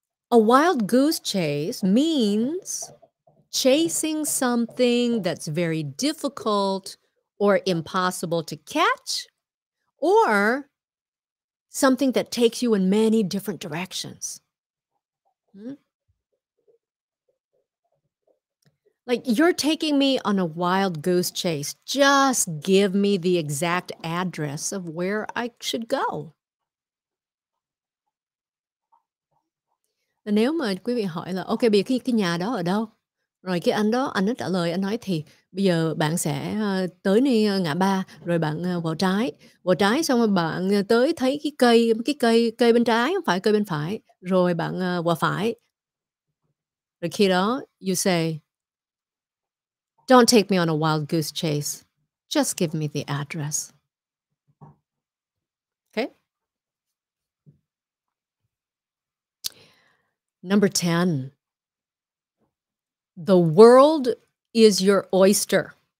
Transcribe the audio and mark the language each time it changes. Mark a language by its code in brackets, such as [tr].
[en] A wild goose chase means chasing something that's very difficult or impossible to catch, or something that takes you in many different directions. Like, you're taking me on a wild goose chase. Just give me the exact address of where I should go. [vi] Nếu mà quý vị hỏi là, ok, bây giờ cái nhà đó ở đâu? Rồi cái anh đó trả lời, anh nói thì bây giờ bạn sẽ tới đi ngã ba, rồi bạn vào trái, xong rồi bạn tới thấy cái cây bên trái, không phải cây bên phải, rồi bạn qua phải. Rồi khi đó, [en] you say, don't take me on a wild goose chase. Just give me the address. Okay? Number 10. The world is your oyster.